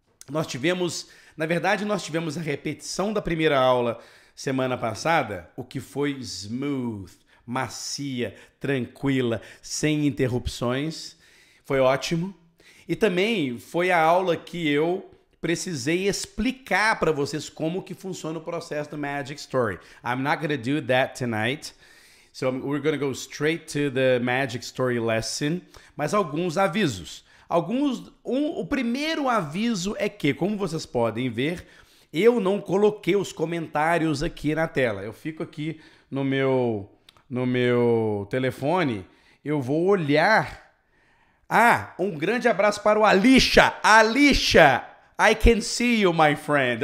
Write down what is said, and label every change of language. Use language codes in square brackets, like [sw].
[pt] Na verdade, nós tivemos a repetição da primeira aula semana passada, o que foi smooth. Macia, tranquila, sem interrupções. Foi ótimo. E também foi a aula que eu precisei explicar para vocês como que funciona o processo do Magic Story. [en] I'm not going to do that tonight. So we're going to go straight to the Magic Story lesson. [pt] Mas alguns avisos. O primeiro aviso é que, como vocês podem ver, eu não coloquei os comentários aqui na tela. Eu fico aqui no meu telefone, eu vou olhar. Ah, um grande abraço para o [en] Alisha. Alisha, I can see you, my friend.